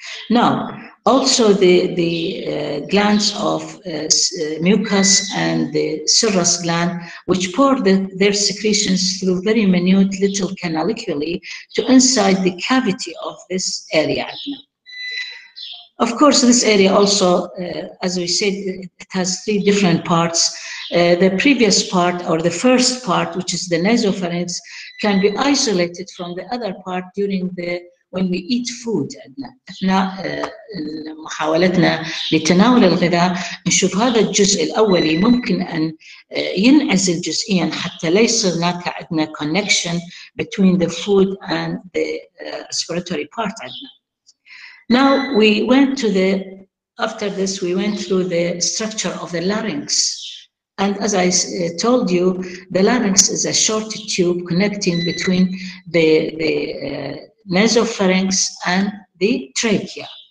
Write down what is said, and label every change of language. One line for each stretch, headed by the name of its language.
English: Now, also the glands of mucus and the serous gland, which pour their secretions through very minute little canaliculi to inside the cavity of this area. Of course, this area also, as we said, it has three different parts. The previous part, or the first part, which is the nasopharynx, can be isolated from the other part when we eat food.
Arabic: أثناء محاولتنا لتناول الغذاء نشوف هذا الجزء الأولي ممكن أن ينعزل جزئيا حتى ليس هناك عندنا
English: connection between the food and the respiratory part. Now we went to the, after this we went through the structure of the larynx. And as I told you, the larynx is a short tube connecting between the nasopharynx and the trachea.